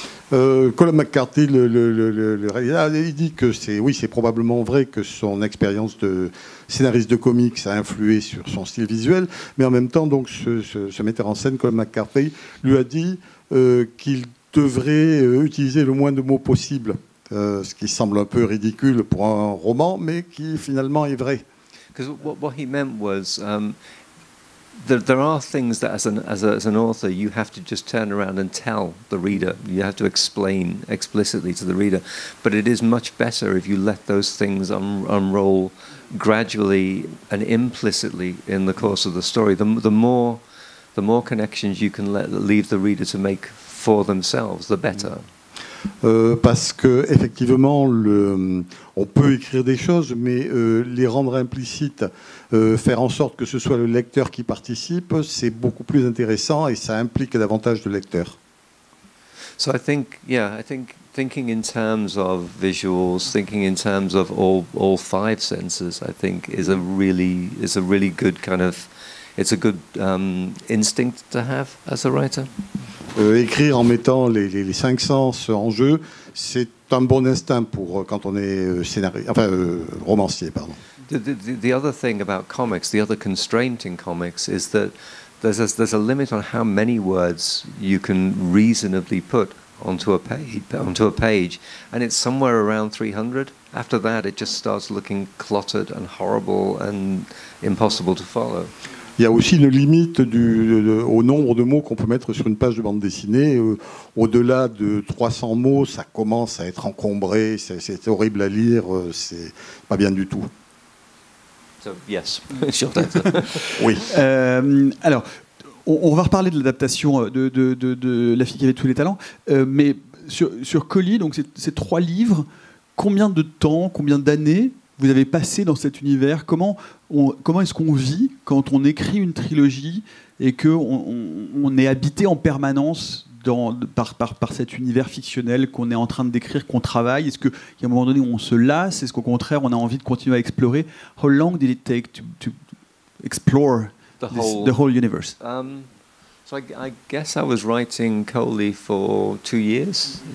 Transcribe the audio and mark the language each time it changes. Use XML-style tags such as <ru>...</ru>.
<fr>Colin McCarthy, il dit que c'est probablement vrai que son expérience de scénariste de comics a influé sur son style visuel, mais en même temps, donc ce metteur en scène, Colin McCarthy, lui a dit qu'il devrait utiliser le moins de mots possible, ce qui semble un peu ridicule pour un roman, mais qui finalement est vrai.</fr> <en>Because what he meant was there are things that as an author you have to just turn around and tell the reader. You have to explain explicitly to the reader. But it is much better if you let those things unroll gradually and implicitly in the course of the story. The more connections you can leave the reader to make for themselves, the better.</en> <fr>Parce que effectivement, on peut écrire des choses, mais les rendre implicites, faire en sorte que ce soit le lecteur qui participe, c'est beaucoup plus intéressant et ça implique davantage de lecteurs.</fr> <en>So I think, I think thinking in terms of visuals, thinking in terms of all five senses, I think is a really good kind of, it's a good instinct to have as a writer.</en> <fr>Écrire en mettant les cinq sens en jeu, c'est un bon instinct pour quand on est romancier, pardon.</fr> <en>The other thing about comics, the other constraint in comics is that there's a limit on how many words you can reasonably put onto a page, and it's somewhere around 300. After that, it just starts looking cluttered and horrible and impossible to follow.</en> <fr>Il y a aussi une limite au nombre de mots qu'on peut mettre sur une page de bande dessinée. Au-delà de 300 mots, ça commence à être encombré, c'est horrible à lire, c'est pas bien du tout.</fr> <en>So, yes, sure that.</en> <fr>Oui. Alors, on va reparler de l'adaptation de La fille qui avait tous les talents, mais sur Colly, donc ces trois livres, combien de temps, combien d'années vous avez passé dans cet univers? Comment est-ce qu'on vit quand on écrit une trilogie et qu'on est habité en permanence par cet univers fictionnel qu'on est en train de décrire, qu'on travaille? Est-ce qu'il y a un moment donné où on se lasse? Est-ce qu'au contraire, on a envie de continuer à explorer?</fr> <en>How long did it take to explore the whole universe? So I guess I was writing Colly for 2 years.</en>